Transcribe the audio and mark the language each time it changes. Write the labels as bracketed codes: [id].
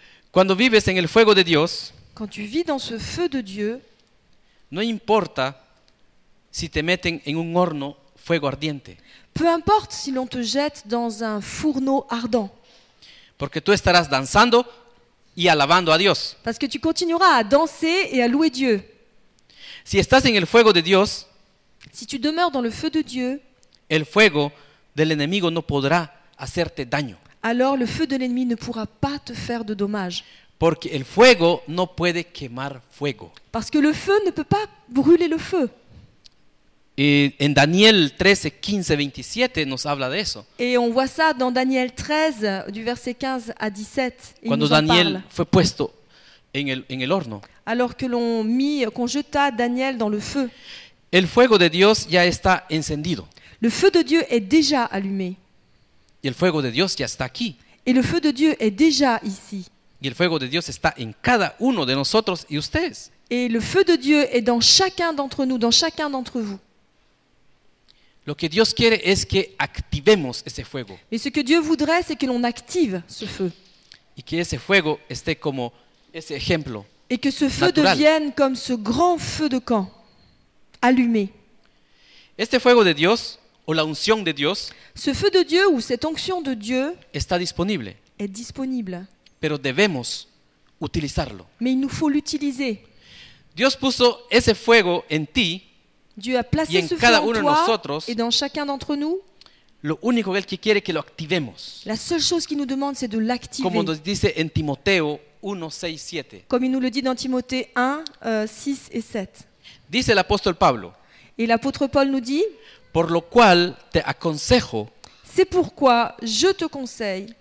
[es] Cuando vives en el fuego de Dios, [fr] quand tu vis dans ce feu de Dieu, [es] no importa si te meten en un horno fuego ardiente. [fr] Peu importe si l'on te jette dans un fourneau ardent. [es] Porque tú estarás danzando y alabando a Dios. [fr] Parce que tu continueras à danser et à louer Dieu. [es] Si estás en el fuego de Dios, [fr] si tu demeures dans le feu de Dieu, [es] el fuego del enemigo no podrá hacerte daño. [fr] Alors le feu de l'ennemi ne pourra pas te faire de dommage. [es] Porque el fuego no puede quemar fuego. [fr] Parce que le feu ne peut pas brûler le feu. Et en Daniel 13, 15, 27, nous parle de ça. Et on voit ça dans Daniel 13, du verset 15 à 17. Quand Daniel fut [es] puesto en el horno. [fr] Alors que l'on mit, qu'on jeta Daniel dans le feu. [es] El fuego de Dios ya está encendido. [fr] Le feu de Dieu est déjà allumé. [es] Y el fuego de Dios ya está aquí. [fr] Et le feu de Dieu est déjà ici. [es] Y el fuego de Dios está en cada uno de nosotros y ustedes. [fr] Et le feu de Dieu est dans chacun d'entre nous, dans chacun d'entre vous. [es] Lo que Dios quiere es que activemos ese fuego. [fr] Mais ce que Dieu voudrait, c'est que l'on active ce feu. [es] Y que ese fuego esté como ese ejemplo. [fr] Et que ce feu [es] natural [fr] devienne comme ce grand feu de camp, allumé. [es] Este fuego de Dios o la unción de Dios. [fr] Ce feu de Dieu ou cette onction de Dieu. [es] Está disponible. [fr] Est disponible. [es] Pero debemos utilizarlo. [fr] Mais il nous faut l'utiliser. [es] Dios puso ese fuego en ti. [fr] Dieu a placé ce feu en toi et dans chacun d'entre nous. [es] Lo único que él quiere que lo activemos. [fr] La seule chose qu'il nous demande, c'est de l'activer. [es] Como nos dice en Timoteo 1, 6, 7. [fr] Comme il nous le dit dans Timothée 1, 6 et 7. [es] Dice l'apóstol Pablo. [fr] Et l'apôtre Paul nous dit. [es] Por lo cual te aconsejo. [fr] C'est pourquoi je te conseille.